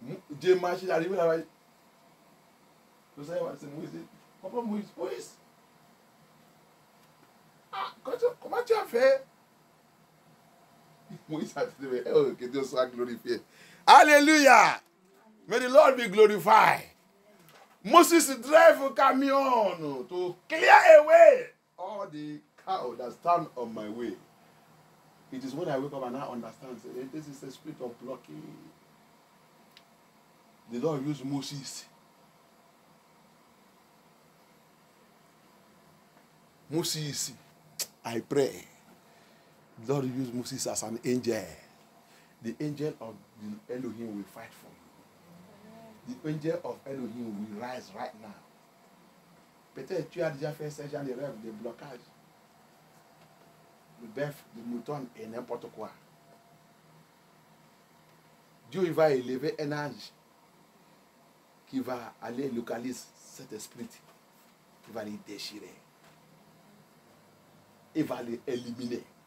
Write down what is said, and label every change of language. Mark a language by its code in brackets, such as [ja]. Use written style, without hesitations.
[fr] Dieu marche, il arrive là-bas. Le Seigneur, c'est Moïse. Papa Moïse, Moïse. Ah, comment tu as fait? Moïse a dit, oh, que Dieu soit glorifié. [en] Alléluia! May the Lord be glorified. Moses drive a camion to clear away all the cow that stand on my way. It is when I wake up and I understand, say, hey, this is the spirit of blocking. The Lord used Moses. Moses, I pray. The Lord used Moses as an angel. The angel of the Elohim will fight for you. The angel of Elohim will rise right now. [fr] Peut-être tu as déjà fait ce genre de rêve, de blocage. Le bœuf, le mouton et n'importe quoi. Dieu va élever un ange qui va aller localiser cet esprit, qui va le déchirer. Il va l'éliminer.